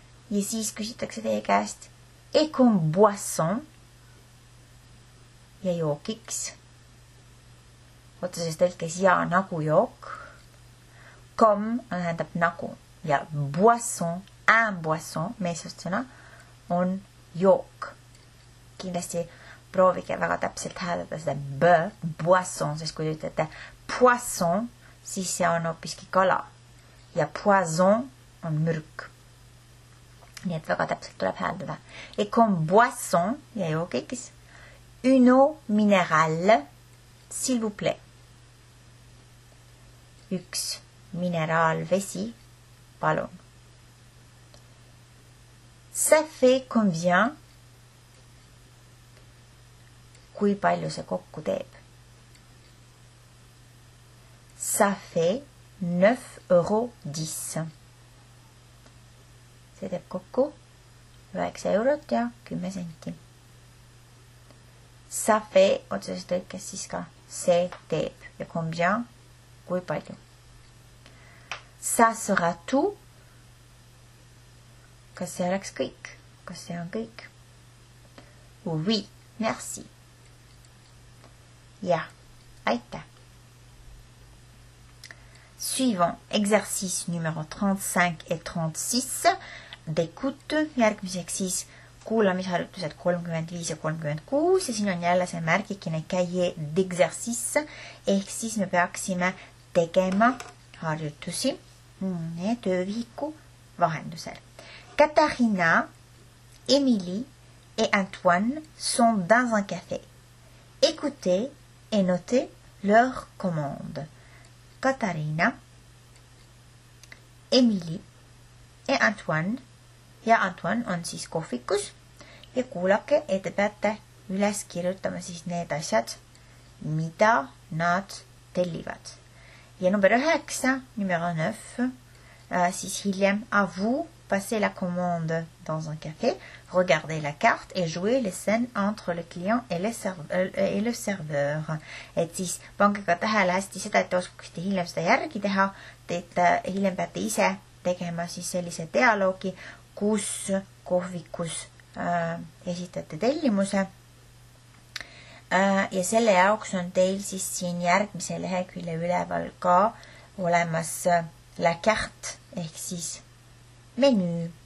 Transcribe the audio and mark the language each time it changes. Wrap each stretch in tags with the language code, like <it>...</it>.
<et>Ja siis küsitakse teie käest, et</et> <fr>comme boisson,</fr> <et>ja jookiks, otsuses tõlkes ja nagu jook, Comme on tähendab nagu ja boisson,</et> <fr>un boisson,</fr> <et>meesustsõna, on jook. Kindlasti proovige väga täpselt hääldada seda b, boisson, sest kui ütlete poisson, siis see on hoopiski kala. Ja poison on mürk. Nii et väga täpselt tuleb hääldada.</et> <fr>Et comme boisson,</fr> <et>ja jookiks,</et> <fr>une eau minérale, s'il vous plaît.</fr> <et>Üks mineraalvesi, palun.</et> <fr>Ça fait combien?</fr> <et>Kui palju see kokku teeb?</et> <fr>Ça fait 9,10 €.</fr> <et>See teeb kokku 9 € ja 10 senti.</et> <fr>Ça fait,</fr> <et>otseses tõlkes siis ka, see teeb.</et> <fr>Ja combien?</fr> <et>Kui palju?</et> <fr>Ça sera tout.</fr> <et>Kas see oleks kõik? Kas see on kõik?</et> <fr>Oui, merci.</fr> <et>Ja, aitäh.</et> <fr>Suivant, exercice numéro 35 et 36. D'écoute,</fr> <et>järgmiseks siis kuulamisharjutused 35 ja 36. Ja siin on jälle see märgikine</et> <fr>cahier d'exercice.</fr> <et>Ehk siis me peaksime tegema harjutusi. Et töövihiku vahendusel.</et> <fr>Katarina, Émilie et Antoine sont dans un café. Écoutez et notez leurs commandes. Katarina, Émilie et Antoine.</fr> <et>Ja Antoine on siis kohvikus. Ja kuulake, et te peate üles kirjutama siis need asjad, mida nad tellivad. Ja number 9,</et> <fr>numero 9,</fr> <et>siis hiljem,</et> <fr>à vous, passez la commande dans un café, regardez la carte et jouez les scènes entre le client et le serveur.</fr> <et>Et siis pange ka tähele hästi seda, et te oskuksite hiljem seda järgi teha, et hiljem peate ise tegema siis sellise dialoogi, kus kohvikus esitate tellimuse. Ja selle jaoks on teil siis siin järgmise lehekülje üleval ka olemas</et> <fr>la carte,</fr> <et>ehk siis menu.</et>